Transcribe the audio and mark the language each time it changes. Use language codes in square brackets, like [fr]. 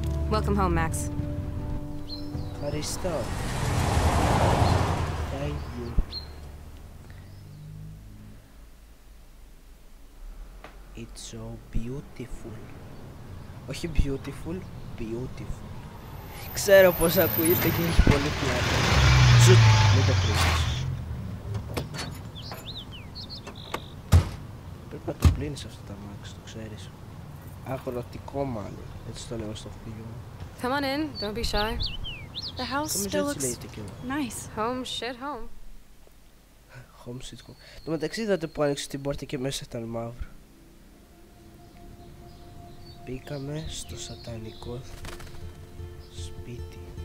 [en] Welcome home, Max. Thank you. It's so beautiful. Όχι beautiful, beautiful. [el] Ξέρω πως ακούγεται και έχει πολύ πλάκα. Τσουτ, μην το πλύνεις. Πρέπει να το πλύνεις αυτό το αμάξι, το ξέρεις. Αγροτικό μάλλον, έτσι το λέω στο χωριό. [en] Come on in, don't be shy. The house still looks nice. Home, shit, home. Home, shit, home. [el] Το μεταξύ είδατε που άνοιξε την πόρτα και μέσα ήταν μαύρο. Μπήκαμε στο σατανικό σπίτι.